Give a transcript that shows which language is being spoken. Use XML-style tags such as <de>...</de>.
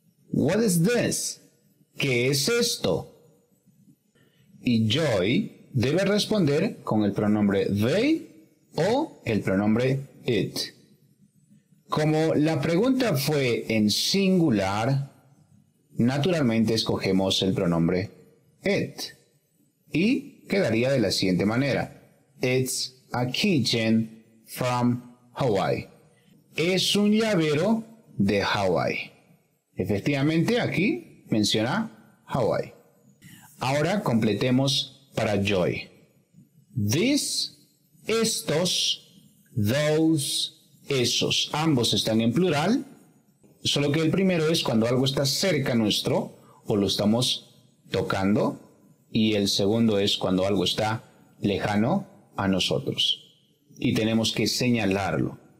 <es>What is this? ¿Qué es esto? Y Joy debe responder con el pronombre they o el pronombre it. Como la pregunta fue en singular, naturalmente escogemos el pronombre it. Y quedaría de la siguiente manera.</es> <en>It's a keychain from Hawaii.</en> <es>Es un llavero de Hawaii. Efectivamente, aquí menciona Hawaii. Ahora completemos para Joy. This, estos, those, esos. Ambos están en plural, solo que el primero es cuando algo está cerca nuestro o lo estamos tocando y el segundo es cuando algo está lejano a nosotros y tenemos que señalarlo.</es>